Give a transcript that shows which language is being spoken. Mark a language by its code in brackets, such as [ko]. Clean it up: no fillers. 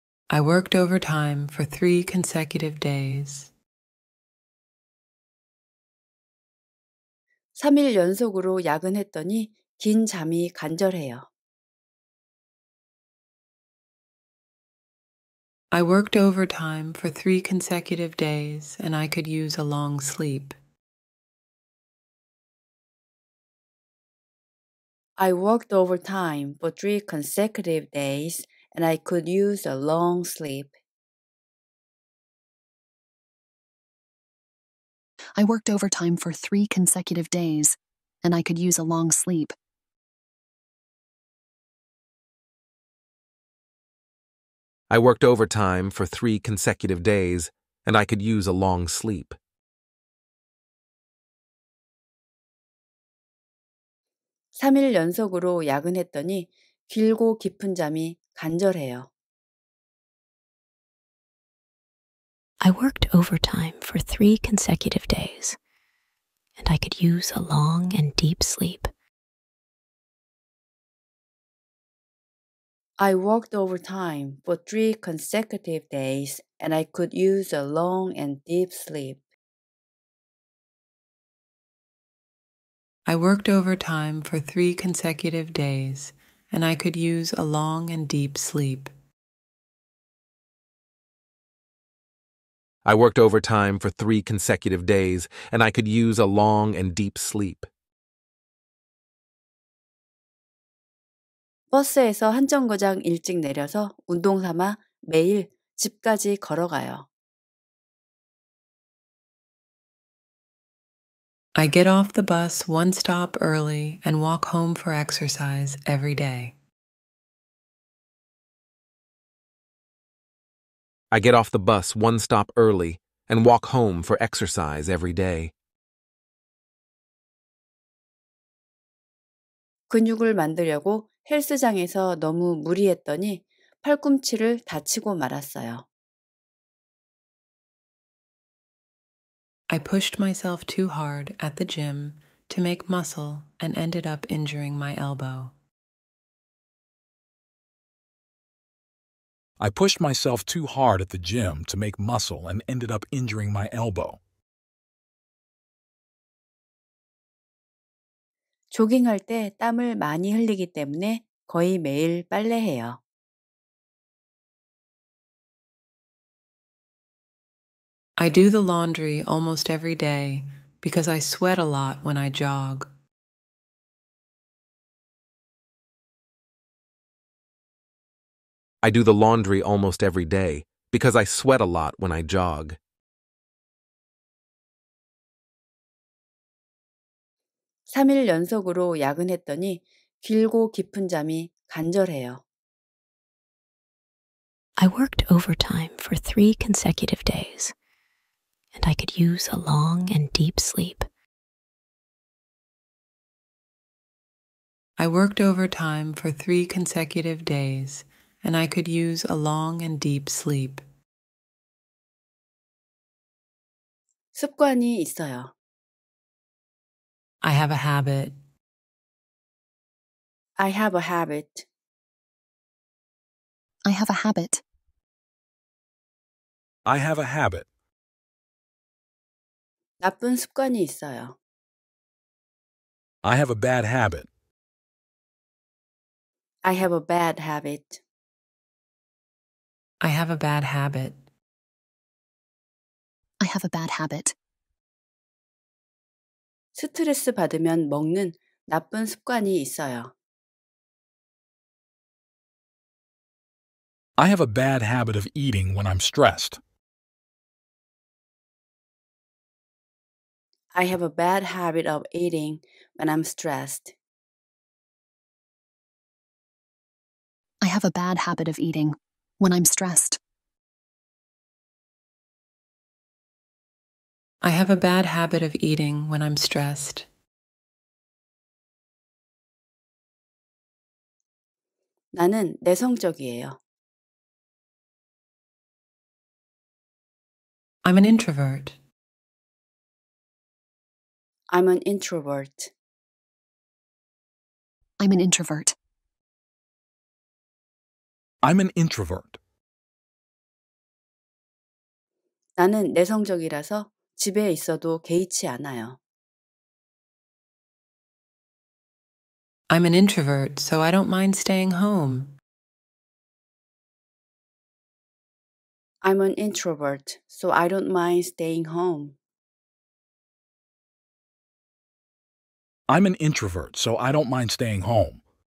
[en] I worked overtime for 3 consecutive days. [ko] 3일 연속으로 야근했더니 긴 잠이 간절해요. [en] I worked overtime for 3 consecutive days and I could use a long sleep. I worked overtime for 3 consecutive days and I could use a long sleep. I worked overtime for 3 consecutive days, and I could use a long sleep. I worked overtime for 3 consecutive days, and I could use a long sleep. [ko] 3일 연속으로 야근했더니 길고 깊은 잠이 간절해요. [en] I worked overtime for 3 consecutive days, and I could use a long and deep sleep. I worked overtime for 3 consecutive days, and I could use a long and deep sleep. I worked overtime for 3 consecutive days, and I could use a long and deep sleep. I worked overtime for 3 consecutive days, and I could use a long and deep sleep. [ko] 버스에서 한 정거장 일찍 내려서 운동 삼아 매일 집까지 걸어가요. [en] I get off the bus 1 stop early and walk home for exercise every day. I get off the bus 1 stop early and walk home for exercise every day. [ko] 근육을 만들려고 헬스장에서 너무 무리했더니 팔꿈치를 다치고 말았어요. [en] I pushed myself too hard at the gym to make muscle and ended up injuring my elbow. I pushed myself too hard at the gym to make muscle and ended up injuring my elbow. [ko] 조깅할 때 땀을 많이 흘리기 때문에 거의 매일 빨래해요. [en] I do the laundry almost every day because I sweat a lot when I jog. I do the laundry almost every day because I sweat a lot when I jog. [ko] 3일 연속으로 야근했더니 길고 깊은 잠이 간절해요. [en] I worked overtime for 3 consecutive days, and I could use a long and deep sleep. I worked overtime for 3 consecutive days. And I could use a long and deep sleep. [ko] 습관이 있어요. [en] I have a habit. I have a habit. I have a habit. I have a habit. [ko] 나쁜 습관이 있어요. [en] I have a bad habit. I have a bad habit. I have a bad habit. I have a bad habit. [ko] 스트레스 받으면 먹는 나쁜 습관이 있어요. [en] I have a bad habit of eating when I'm stressed. I have a bad habit of eating when I'm stressed. I have a bad habit of eating when I'm stressed. I have a bad habit of eating when I'm stressed. [ko] 나는 내성적이에요. [en] I'm an introvert. I'm an introvert. I'm an introvert. I'm an introvert. [ko] 나는 내성적이라서 집에 있어도 개의치 않아요. [en] I'm an introvert, so I don't mind staying home. I'm an introvert, so I don't mind staying home. I'm an introvert, so I don't mind staying home.